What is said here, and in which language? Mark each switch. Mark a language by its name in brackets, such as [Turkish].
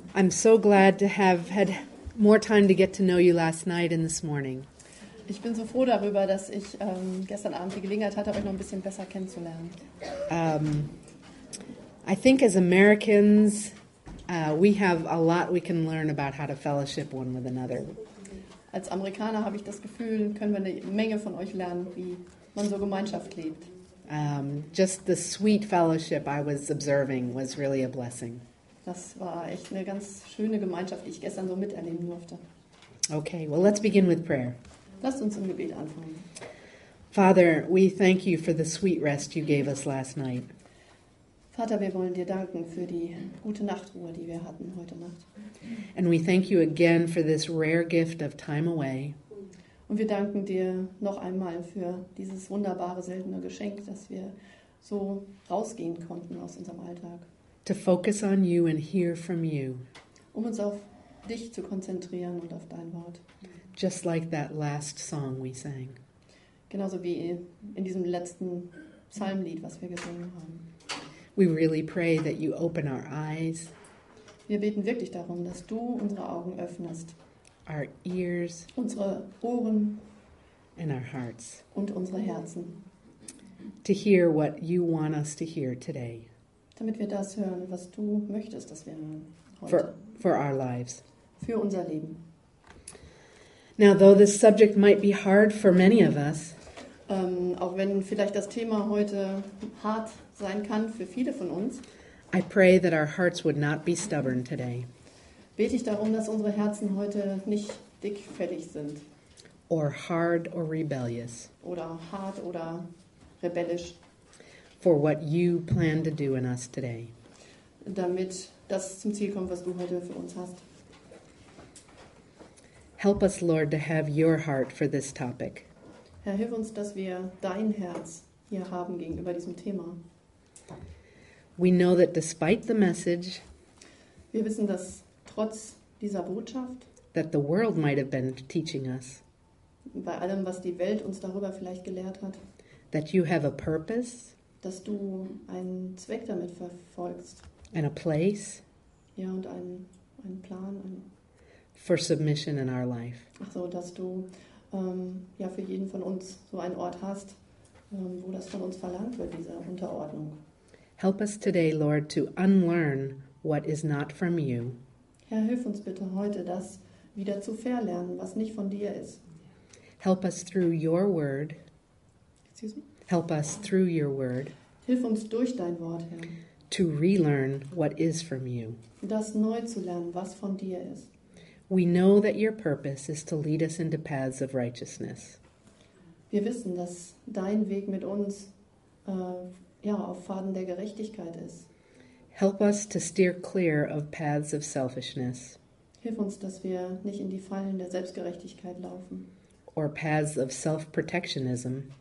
[English] I'm so glad to have had more time to get to know you last night and this morning. [German] Ich bin so froh darüber, dass ich gestern Abend die Gelegenheit hatte, euch noch ein bisschen besser kennenzulernen. [English] I think as Americans, we have a lot we can learn about how to fellowship one with another. [German] Als Amerikaner habe ich das Gefühl, können wir eine Menge von euch lernen, wie man so Gemeinschaft lebt. [English] Just the sweet fellowship I was observing was really a blessing. [German] Das war echt eine ganz schöne Gemeinschaft, die ich gestern so miterleben durfte. [English] Okay, well, let's begin with prayer. [German] Lasst uns im Gebet anfangen. [English] Father, we thank you for the sweet rest you gave us last night. [German] Vater, wir wollen dir danken für die gute Nachtruhe, die wir hatten heute Nacht. [English] And we thank you again for this rare gift of time away. [German] Und wir danken dir noch einmal für dieses wunderbare, seltene Geschenk, dass wir so rausgehen konnten aus unserem Alltag. [English] To focus on you and hear from you. [German] Um uns auf dich zu konzentrieren und auf dein Wort. [English] Just like that last song we sang. [German] Genauso wie in diesem letzten Psalmlied, was wir gesungen haben. [English] We really pray that you open our eyes. [German] Wir beten wirklich darum, dass du unsere Augen öffnest. [English] Our ears, [German] unsere Ohren, [English] and our hearts, [German] und unsere Herzen, [English] to hear what you want us to hear today, [German] damit wir das hören, was du möchtest, dass wir hören heute, [English] for our lives, [German] für unser Leben. [English] Now, though this subject might be hard for many of us, [German] auch wenn vielleicht das Thema heute hart sein kann für viele von uns, [English] I pray that our hearts would not be stubborn today. [German] Bete ich darum, dass unsere Herzen heute nicht dickfällig sind. [English] Or hard or rebellious. [German] Oder hart oder rebellisch. [English] For what you plan to do in us today. [German] Damit das zum Ziel kommt, was du heute für uns hast. [English] Help us, Lord, to have your heart for this topic. [German] Herr, hilf uns, dass wir dein Herz hier haben gegenüber diesem Thema. [English] We know that despite the message, [German] wir wissen, dass trotz dieser Botschaft, [English] that the world might have been teaching us, [German] bei allem, was die Welt uns darüber vielleicht gelehrt hat, [English] that you have a purpose, [German] dass du einen Zweck damit verfolgst, [English] and a place, [German] ja, und einen Plan, [English] for submission in our life. [German] Ach so, dass du ja, für jeden von uns so einen Ort hast, wo das von uns verlangt wird, diese Unterordnung. [English] Help us today, Lord, to unlearn what is not from you. [German] Herr, hilf uns bitte heute, das wieder zu verlernen, was nicht von dir ist. [English] Help us through your word. Excuse me? Help us through your word. [German] Hilf uns durch dein Wort, Herr. [English] To relearn what is from you. [German] Das neu zu lernen, was von dir ist. [English] We know that your purpose is to lead us into paths of righteousness. [German] Wir wissen, dass dein Weg mit uns ja, auf Pfaden der Gerechtigkeit ist. [English] Help us to steer clear of paths of selfishness. [German] Hilf uns, dass wir nicht in die Fallen der Selbstgerechtigkeit laufen. [English] Or paths of self-protectionism.